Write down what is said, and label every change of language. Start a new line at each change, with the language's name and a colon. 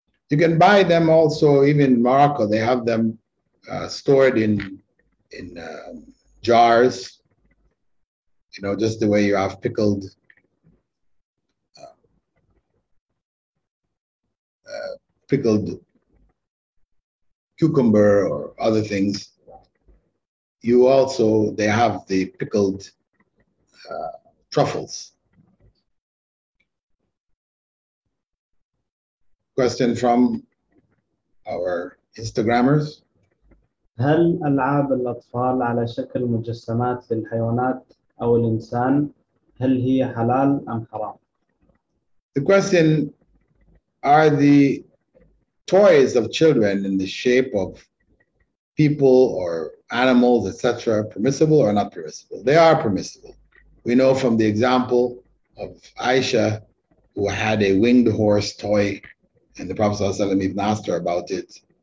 English: You can buy them also, even in Morocco, they have them stored in jars, you know, just the way you have pickled pickled cucumber or other things. You also, they have the pickled truffles. Question from our Instagrammers.
Arabic: هل ألعاب الأطفال على شكل مجسمات للحيوانات أو الإنسان هل هي حلال أم حرام؟
English: The question, are the toys of children in the shape of people or animals, etc., permissible or not permissible? They are permissible. We know from the example of Aisha, who had a winged horse toy, and the Prophet ﷺ even asked her about it.